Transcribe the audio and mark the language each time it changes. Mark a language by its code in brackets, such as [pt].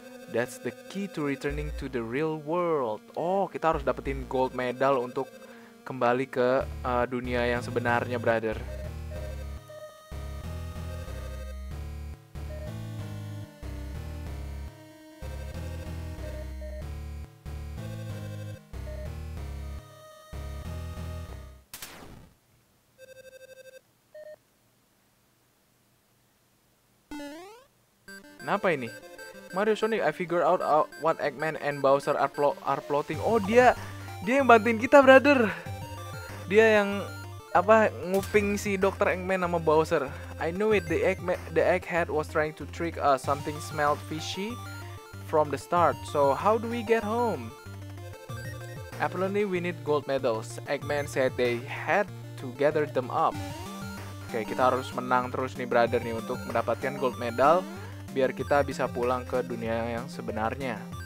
[en] That's the key to returning to the real world. [id] Oh, kita harus dapetin gold medal untuk kembali ke dunia yang sebenarnya, brother. Kenapa ini? [en] Mario Sonic, I figure out what Eggman and Bowser are plotting. [id] Oh, dia yang bantuin kita, brother. Dia yang apa nguping si Dr. Eggman sama Bowser. [en] I knew it. The egghead was trying to trick us. Something smelled fishy from the start. So, how do we get home? Apparently, we need gold medals. Eggman said they had to gather them up. [id] Okay, kita harus menang terus nih, brother nih, untuk mendapatkan gold medal. Biar kita bisa pulang ke dunia yang sebenarnya.